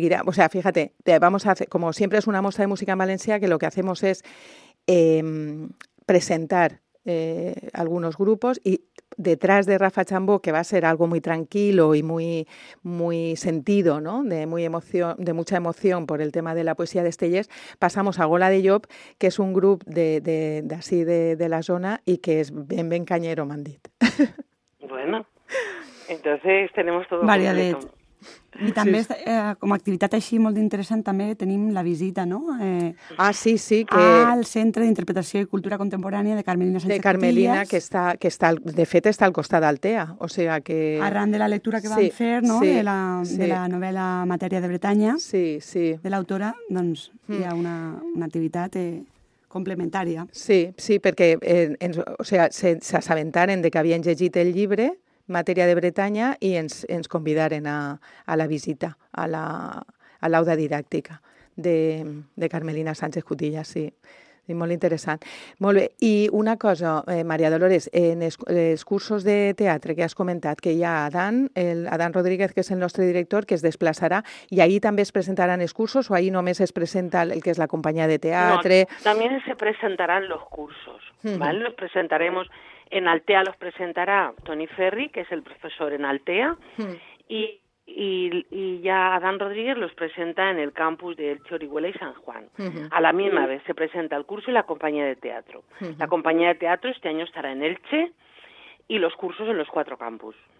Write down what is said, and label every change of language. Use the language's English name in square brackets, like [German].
[Spanish] O sea, fíjate, vamos a hacer, como siempre es una muestra de música en Valencia, que lo que hacemos es presentar algunos grupos, y detrás de Rafa Chambó, que va a ser algo muy tranquilo y muy, muy sentido, ¿no? de mucha emoción por el tema de la poesía de Estellés, pasamos a Gola de Llop, que es un grupo de la zona y que es bien, bien cañero, Mandit. Bueno, entonces tenemos todo [Catalan] Variadet. I també, sí. Com a activitat així molt interessant, també tenim la visita, no? Al Centre d'Interpretació i Cultura Contemporània de Carmelina Sánchez Cotillas. De Carmelina, que està al costat d'Altea. [Spanish] O sea que... [Catalan] Arran de la lectura que vam fer, no? Sí, de la novel·la Matèria de Bretanya, sí. De l'autora, doncs hi ha una activitat... complementària. Sí, perquè s'assabentaren que havien llegit el llibre Matèria de Bretanya i ens convidaren a la visita, a l'aula didàctica de Carmelina Sánchez Cotillas, sí. I molt interessant. Molt bé. I una cosa, Maria Dolores, en els cursos de teatre que has comentat, que hi ha Adán Rodríguez, que és el nostre director, que es desplaçarà, i ahir també es presentaran els cursos, o ahir només es presenta el que és la companyia de teatre? No, també se presentaran els cursos, ¿vale? [Spanish] Los presentaremos... En Altea los presentará Tony Ferri, que es el profesor en Altea, y ya Adán Rodríguez los presenta en el campus de Orihuela y San Juan. A la misma vez se presenta el curso y la compañía de teatro. La compañía de teatro este año estará en Elche y los cursos en los cuatro campus.